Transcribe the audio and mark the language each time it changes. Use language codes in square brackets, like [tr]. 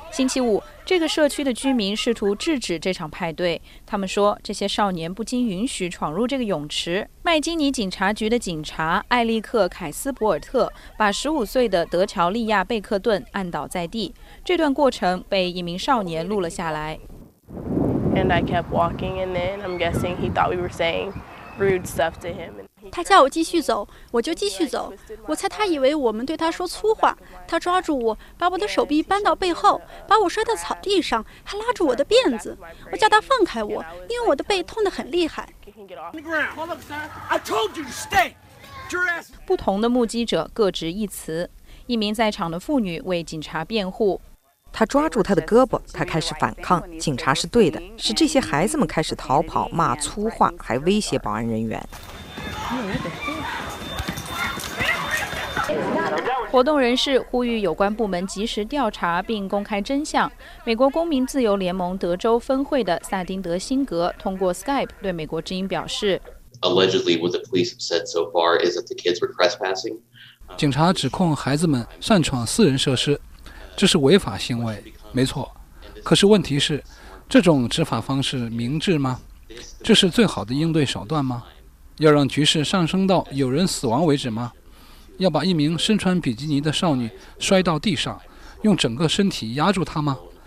[zh] 星期五，这个社区的居民试图制止这场派对，他们说这些少年不经允许闯入这个泳池。麦金尼警察局的警察艾利克·凯斯伯尔特把15岁的德乔利亚·贝克顿按倒在地，这段过程被一名少年录了下来。 [en] And I kept walking and then I'm guessing he thought we were saying rude stuff to him. [zh] 他叫我继续走，我就继续走。我猜他以为我们对他说粗话。他抓住我，把我的手臂扳到背后，把我摔到草地上，还拉住我的辫子。我叫他放开我，因为我的背痛得很厉害。不同的目击者各执一词。一名在场的妇女为警察辩护。他抓住他的胳膊，他开始反抗。警察是对的，是这些孩子们开始逃跑，骂粗话，还威胁保安人员。活动人士呼吁有关部门及时调查并公开真相。美国公民自由联盟德州分会的萨丁德辛格通过 Skype 对美国之音表示， [en] Allegedly what the police have said so far is that the kids were trespassing. [zh] 警察指控孩子们擅闯私人设施，这是违法行为，没错。可是问题是，这种执法方式明智吗？这是最好的应对手段吗？要让局势上升到有人死亡为止吗？要把一名身穿比基尼的少女摔到地上，用整个身体压住她吗？